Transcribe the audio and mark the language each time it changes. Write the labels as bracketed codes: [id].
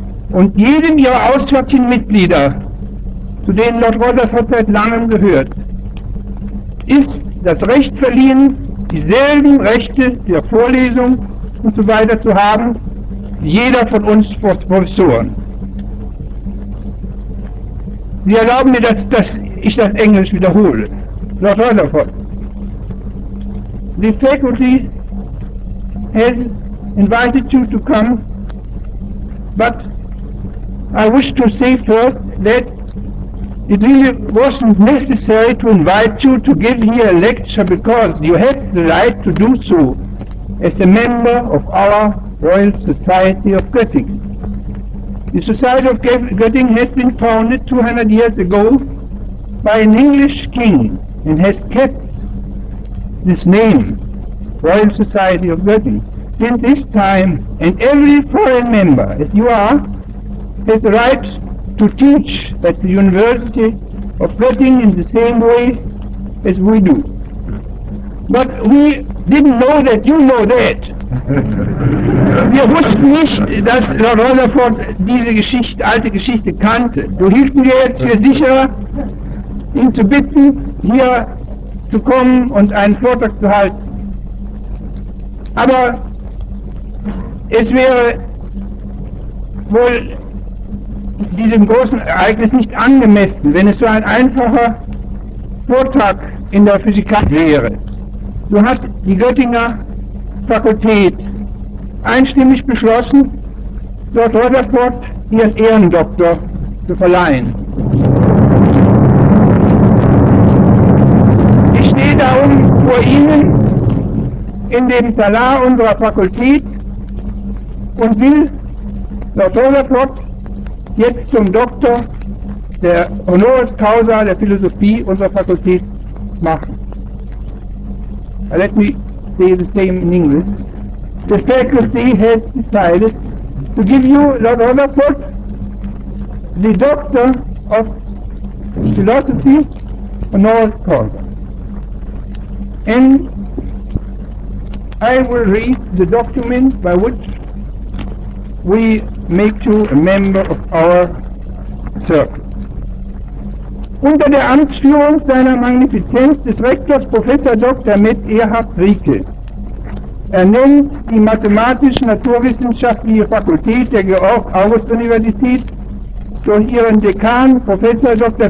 [de] Und jedem ihrer auswärtigen Mitglieder, zu denen Lord Rutherford seit langem gehört, ist das Recht verliehen, dieselben Rechte der Vorlesung und so weiter zu haben, wie jeder von uns Professoren. Sie erlauben mir, dass ich das Englisch wiederhole. Lord Rutherford. [en] The faculty has invited you to come, but I wish to say first that it really wasn't necessary to invite you to give here a lecture because you had the right to do so as a member of our Royal Society of Göttingen. The Society of Göttingen has been founded 200 years ago by an English king and has kept this name, Royal Society of Göttingen. Since this time, and every foreign member, as you are, has the right to teach at the University of Göttingen in the same way as we do. But we didn't know that you know that. [de] Wir wussten nicht, dass Lord Rutherford diese Geschichte, alte Geschichte kannte. Du hielten wir jetzt für sicherer, ihn zu bitten, hier zu kommen und einen Vortrag zu halten. Aber es wäre wohl diesem großen Ereignis nicht angemessen, wenn es so ein einfacher Vortrag in der Physik wäre. So hat die Göttinger Fakultät einstimmig beschlossen, Lord Rutherford ihren Ehrendoktor zu verleihen. Ich stehe darum vor Ihnen in dem Talar unserer Fakultät und will Lord Rutherford jetzt zum Doktor der Honoris Causa der Philosophie unserer Fakultät machen. [en] Let me say the same in English. The faculty has decided to give you, Lord Rutherford, the Doctor of Philosophy Honoris Causa. And I will read the document by which we make you a member of our circle. [de] Unter der Amtsführung seiner Magnifizenz des Rektors Professor Dr. Med. Erhard Rieke ernennt die mathematisch-naturwissenschaftliche Fakultät der Georg-August-Universität durch ihren Dekan Professor Dr.